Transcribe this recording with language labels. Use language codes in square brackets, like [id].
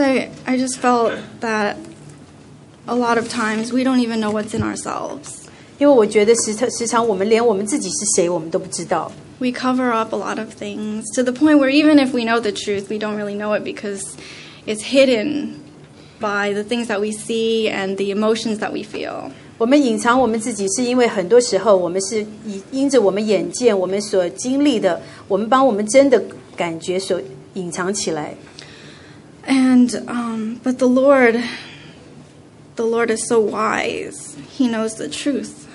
[en] I just felt that a lot of times we don't even know what's in ourselves. [zh] 因为我觉得时常我们连我们自己是谁，我们都不知道。 [en] We cover up a lot of things to the point where even if we know the truth, we don't really know it because it's hidden by the things that we see and the emotions that we feel. [zh] 我们隐藏我们自己是因为很多时候我们是因着我们眼见，我们所经历的，我们把我们真的感觉所隐藏起来。 [en] And but the Lord is so wise. He knows the truth.